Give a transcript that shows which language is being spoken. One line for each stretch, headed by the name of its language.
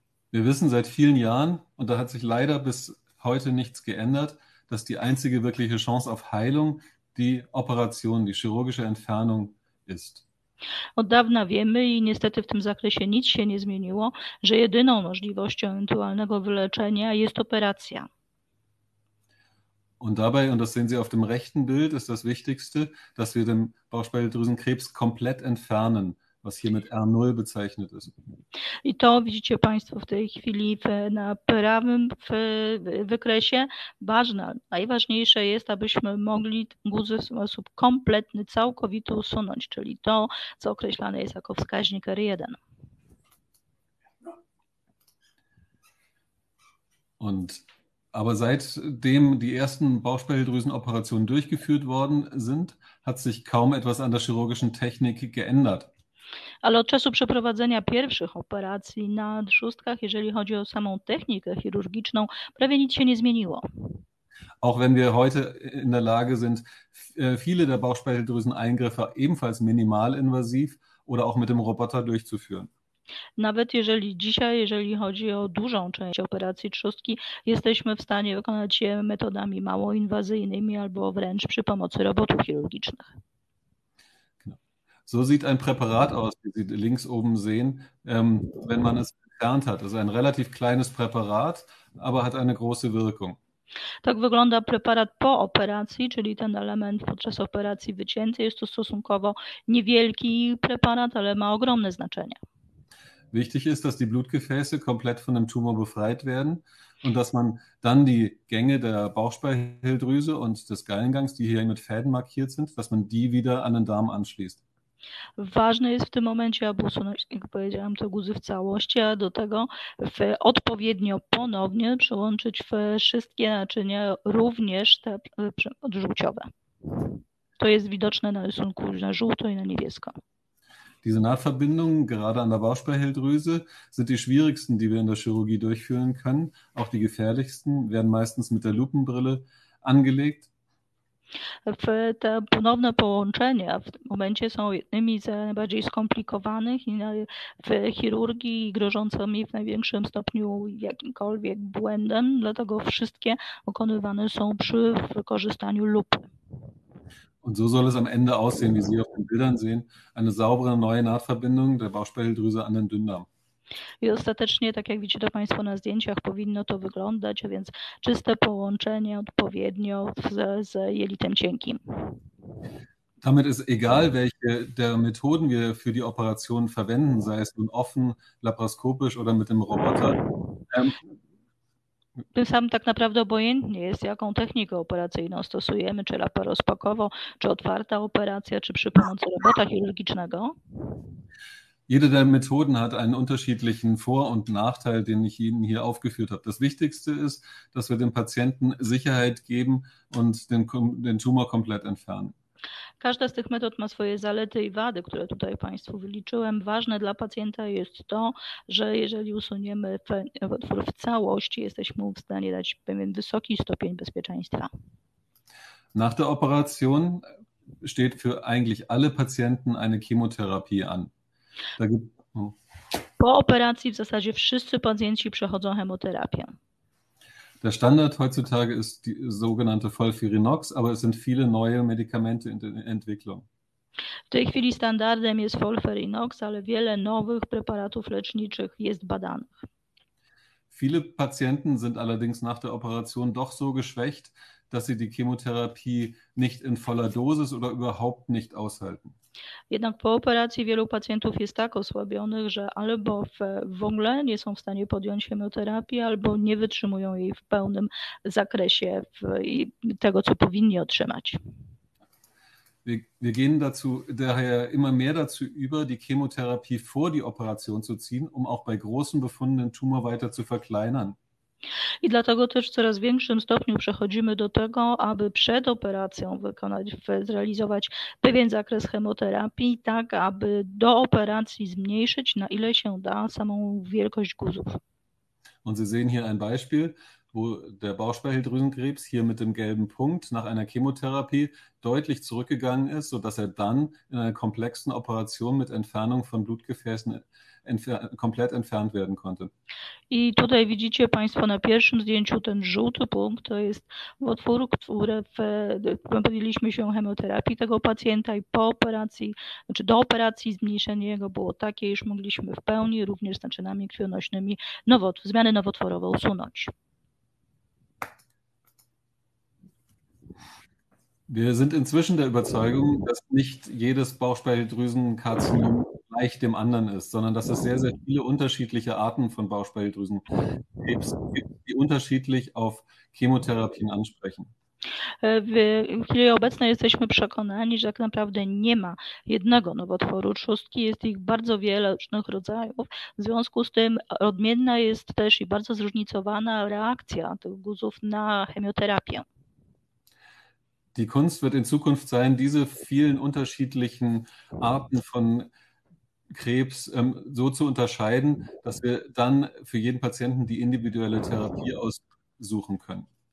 German: Wir wissen seit vielen Jahren, und da hat sich leider bis heute nichts geändert, dass die einzige wirkliche Chance auf Heilung die Operation, die chirurgische Entfernung ist.
Polish: Od dawna wiemy i niestety w tym zakresie nic się nie zmieniło, że jedyną możliwością ewentualnego wyleczenia jest operacja.
German: Und dabei, und das sehen Sie auf dem rechten Bild, ist das Wichtigste, dass wir den Bauchspeicheldrüsenkrebs komplett entfernen, was hier mit R0 bezeichnet ist.
Polish: I to widzicie Państwo w tej chwili na prawym wykresie. Ważne, najważniejsze jest, abyśmy mogli guzy w sposób kompletny, całkowity usunąć, czyli to, co określane jest jako wskaźnik R1.
German: Und, aber seitdem die ersten Bauchspeicheldrüsenoperationen durchgeführt worden sind, hat sich kaum etwas an der chirurgischen Technik geändert.
Polish: Ale od czasu przeprowadzenia pierwszych operacji na trzustkach, jeżeli chodzi o samą technikę chirurgiczną, prawie nic się nie zmieniło.
German: Auch wenn wir heute in der Lage sind, viele der Bauchspeicheldrüseneingriffe ebenfalls minimalinwasiv oder auch mit dem Roboter durchzuführen.
Polish: Nawet jeżeli dzisiaj, jeżeli chodzi o dużą część operacji trzustki, jesteśmy w stanie wykonać je metodami małoinwazyjnymi albo wręcz przy pomocy robotów chirurgicznych.
German: So sieht ein Präparat aus, wie Sie links oben sehen, wenn man es entfernt hat. Das ist ein relativ kleines Präparat, aber hat eine große Wirkung.
Polish: Tak wygląda preparat po operacji, czyli ten element podczas operacji wycięty. Jest to stosunkowo niewielki preparat, ale ma ogromne znaczenie.
German: Wichtig ist, dass die Blutgefäße komplett von dem Tumor befreit werden und dass man dann die Gänge der Bauchspeicheldrüse und des Gallengangs, die hier mit Fäden markiert sind, dass man die wieder an den Darm anschließt.
Polish: Ważne jest w tym momencie, aby usunąć, jak powiedziałam, te guzy w całości, a do tego odpowiednio ponownie przyłączyć wszystkie naczynia, również te odżółciowe. To jest widoczne na rysunku na żółto i na niebiesko.
German: Diese Nahtverbindungen, gerade an der Bauchspeicheldrüse, sind die schwierigsten, die wir in der Chirurgie durchführen können. Auch die gefährlichsten werden meistens mit der Lupenbrille angelegt.
Polish: W te ponowne połączenia w tym momencie są jednymi z najbardziej skomplikowanych w chirurgii i grożącymi w największym stopniu jakimkolwiek błędem, dlatego wszystkie wykonywane są przy wykorzystaniu lupy.
German: Und so soll es am Ende aussehen, wie Sie auf den Bildern sehen, eine saubere neue Nahtverbindung der Bauchspeicheldrüse an den Dünndarm.
Polish: I ostatecznie, tak jak widzicie to Państwo na zdjęciach, powinno to wyglądać, a więc czyste połączenie odpowiednio z jelitem cienkim.
German: Damit ist egal, welche der Methoden wir für die Operation verwenden, sei es nun offen, laparoskopisch oder mit dem Roboter.
Polish: Tym samym tak naprawdę obojętnie jest, jaką technikę operacyjną stosujemy, czy laparoskopową, czy otwarta operacja, czy przy pomocy robota chirurgicznego.
German: Jede der Methoden hat einen unterschiedlichen Vor- und Nachteil, den ich Ihnen hier aufgeführt habe. Das Wichtigste ist, dass wir dem Patienten Sicherheit geben und den Tumor komplett entfernen.
Polish: Każda z tych metod ma swoje zalety i wady, które tutaj Państwu wyliczyłem. Ważne dla pacjenta jest to, że jeżeli usuniemy otwór w całości, jesteśmy w stanie dać pewien wysoki stopień bezpieczeństwa.
German: Nach der Operation steht für eigentlich alle Patienten eine Chemotherapie an.
Polish: Po operacji w zasadzie wszyscy pacjenci przechodzą chemoterapię.
German: Der Standard heutzutage ist die sogenannte Folfirinox, aber es sind viele neue Medikamente in Entwicklung.
Polish: W tej chwili standardem jest Folfirinox, ale wiele nowych preparatów leczniczych jest badanych.
German: Viele Patienten sind allerdings nach der Operation doch so geschwächt, dass sie die Chemotherapie nicht in voller Dosis oder überhaupt nicht aushalten.
Polish: Jednak po operacji wielu pacjentów jest tak osłabionych, że albo w ogóle nie są w stanie podjąć chemioterapii, albo nie wytrzymują jej w pełnym zakresie tego, co powinni otrzymać.
German: Wir gehen dazu daher immer mehr dazu über, die Chemotherapie vor die Operation zu ziehen, um auch bei großen befundenen Tumor weiter zu verkleinern.
Polish: I dlatego też w coraz większym stopniu przechodzimy do tego, aby przed operacją zrealizować pewien zakres chemioterapii, tak aby do operacji zmniejszyć, na ile się da, samą wielkość guzów.
German: Und Sie sehen hier ein Beispiel, wo der Bauchspeicheldrüsenkrebs hier mit dem gelben Punkt nach einer Chemotherapie deutlich zurückgegangen ist, sodass er dann in einer komplexen Operation mit Entfernung von Blutgefäßen komplett entfernt werden konnte.
Polish: I tutaj widzicie Państwo na pierwszym zdjęciu ten żółty punkt, to jest otwór, który podjęliśmy się chemioterapii tego pacjenta i po operacji, znaczy do operacji zmniejszenie jego było takie, iż mogliśmy w pełni również z naczynami krwionośnymi zmiany nowotworowe usunąć.
German: Wir sind inzwischen der Überzeugung, dass nicht jedes Bauchspeicheldrüsenkarzinom gleich dem anderen ist, sondern dass es sehr, sehr viele unterschiedliche Arten von Bauchspeicheldrüsenkrebs gibt, die unterschiedlich auf Chemotherapien ansprechen.
Polish: W chwili obecnej jesteśmy przekonani, że tak naprawdę nie ma jednego nowotworu trzustki, jest ich bardzo wiele różnych rodzajów. W związku z tym odmienna jest też i bardzo zróżnicowana reakcja tych guzów na chemioterapię.
German: Die Kunst wird in Zukunft sein, diese vielen unterschiedlichen Arten von Krebs so zu unterscheiden, dass wir dann für jeden Patienten die individuelle Therapie aussuchen können.